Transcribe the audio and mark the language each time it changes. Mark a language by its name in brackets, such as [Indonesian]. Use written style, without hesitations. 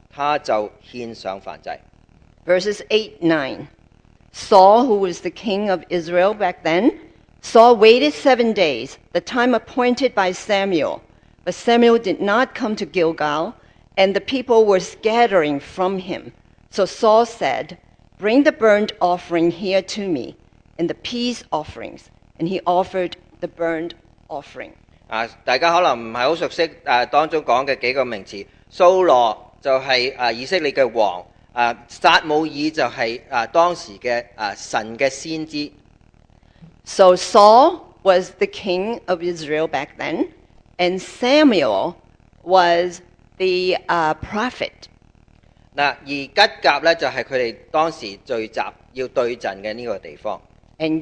[Chinese] 掃羅照著撒母耳所定嘅日期等咗七日，但撒母耳還沒有來到吉甲，眾人就離開掃羅，散去了。掃羅說：你們把燔祭和平安祭帶到我這裏來，他就獻上燔祭。 [English] Verses 8-9 Saul, who was the king of Israel back then, Saul waited 7 days, the time appointed by Samuel. But Samuel did not come to Gilgal, and the people were scattering from him. So Saul said, bring the burnt offering here to me, and the peace offerings. And he offered the burnt offering. [Chinese] 大家可能不是很熟悉当中讲的几个名词。扫罗就是以色列的王，撒母耳就是当时的神的先知。So [English] Saul was the king of Israel back then, and Samuel was the prophet. [Chinese] 而吉甲就是他们当时聚集要对阵的这个地方。And